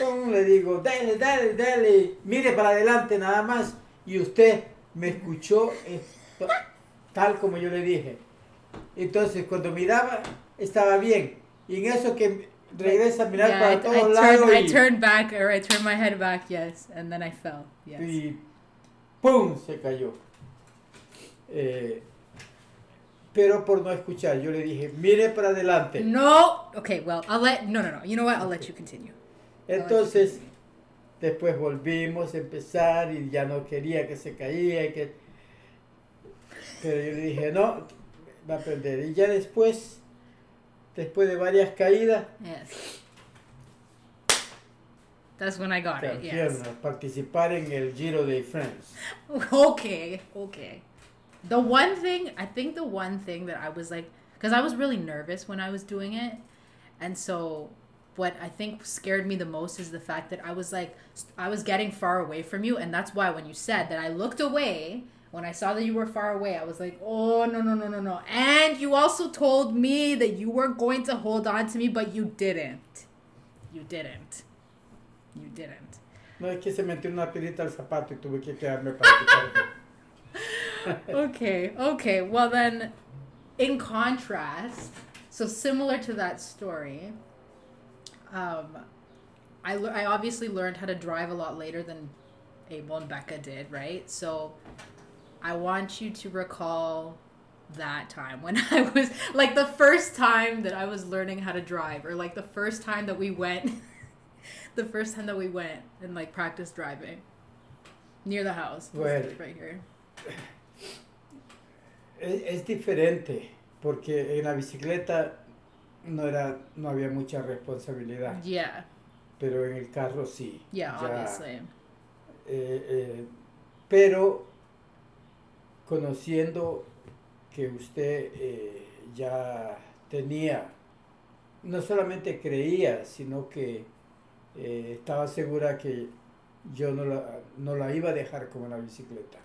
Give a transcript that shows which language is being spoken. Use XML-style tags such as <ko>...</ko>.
<es>Le digo, dale, dale, dale, mire para adelante nada más. Y usted me escuchó tal como yo le dije. Entonces, cuando miraba, estaba bien. Y en eso que regresa a mirar para todos lados.</es> <en>I turned back, or I turned my head back, yes, and then I fell, yes.</en> <es>Y ¡pum! Se cayó. Pero por no escuchar, yo le dije, mire para adelante.</es> <en>No, okay, well, I'll let, no, no, no, you know what, I'll let you continue.</en> <es>Entonces, después volvimos a empezar y ya no quería que se caía. Pero yo le dije, no, va a aprender. Y ya después, después de varias caídas.</es> <en>Yes. That's when I got it, yes.</en> <es>Participar en el Giro de France.</es> <en>Okay, okay. The one thing, I think the one thing that I was like, because I was really nervous when I was doing it. And so what I think scared me the most is the fact that I was like, I was getting far away from you. And that's why when you said that I looked away, when I saw that you were far away, I was like, oh, no, no, no, no, no. And you also told me that you were going to hold on to me, but you didn't. You didn't. You didn't.</en> <es>No, es que se metió una pirita al zapato y tuve que quedarme para que</es> <en>Okay, okay. Well then, in contrast, so similar to that story, I obviously learned how to drive a lot later than Abel and Becca did, right? So I want you to recall that time when I was, like, the first time that I was learning how to drive, or like the first time that we went, the first time that we went and like practiced driving near the house. Well, right here.</en> <es>Es diferente, porque en la bicicleta no era, no había mucha responsabilidad.</es> <en>Yeah.</en> <es>Pero en el carro sí.</es> <en>Yeah, ya, obviously.</en> <es>Pero conociendo que usted ya tenía, no solamente creía, sino que estaba segura que yo no la iba a dejar como en la bicicleta.</es>